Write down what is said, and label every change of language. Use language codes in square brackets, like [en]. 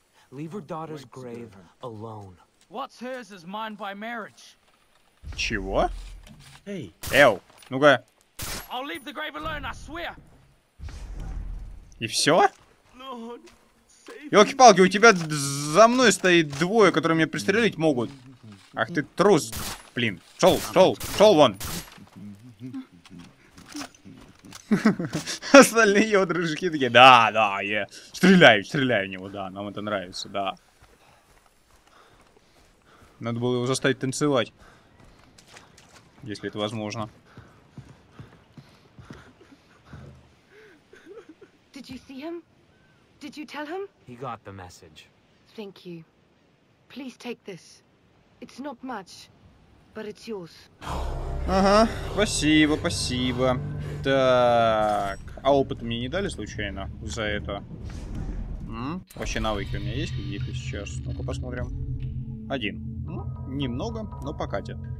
[en] Leave her daughter's grave alone. What's hers is mine by marriage. [ru] Чего? Эй. Эл, ну-ка. [en] I'll leave the grave alone, I swear. [ru] И все? Lord. Ёлки-палки, у тебя за мной стоит двое, которые меня пристрелить могут. Ах ты трус, блин. Шел, шел, шел вон. Остальные его дружки такие, да, да, я стреляю, стреляю в него, да, нам это нравится, да. Надо было его заставить танцевать, если это возможно. [en] Did you see him? Did you tell him? He got the message. Thank you. Please take this. It's not much, but it's yours. [ru] Ага, спасибо, спасибо. Так, а опыт мне не дали случайно за это? Вообще навыки у меня есть какие-то сейчас? Ну-ка посмотрим. Один. Немного, но покатит.